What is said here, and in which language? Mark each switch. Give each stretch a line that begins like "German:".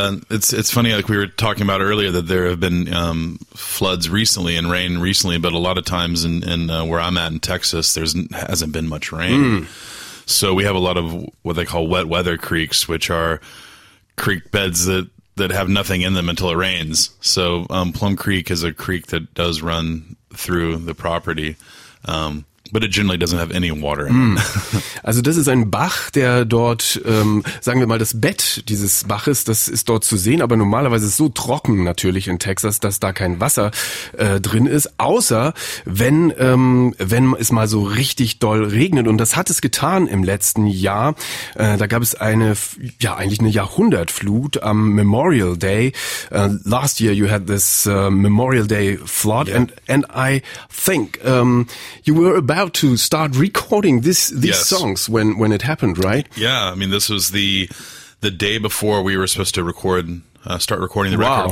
English: it's funny, like we were talking about earlier, that there have been floods recently and rain recently, but a lot of times in where I'm at in Texas, there hasn't been much rain. Mm. So we have a lot of what they call wet weather creeks, which are creek beds that have nothing in them until it rains. So Plum Creek is a creek that does run through the property, but it generally doesn't have any water in it.
German: Also das ist ein Bach, der dort, sagen wir mal, das Bett dieses Baches, das ist dort zu sehen, aber normalerweise ist es so trocken natürlich in Texas, dass da kein Wasser drin ist, außer wenn es mal so richtig doll regnet. Und das hat es getan im letzten Jahr. Da gab es eine Jahrhundertflut am Memorial Day.
English: Last year you had this Memorial Day flood. Yeah. And I think you were about to start recording these songs when it happened, right? Yeah, I mean, this was the day before we were supposed to start recording the record.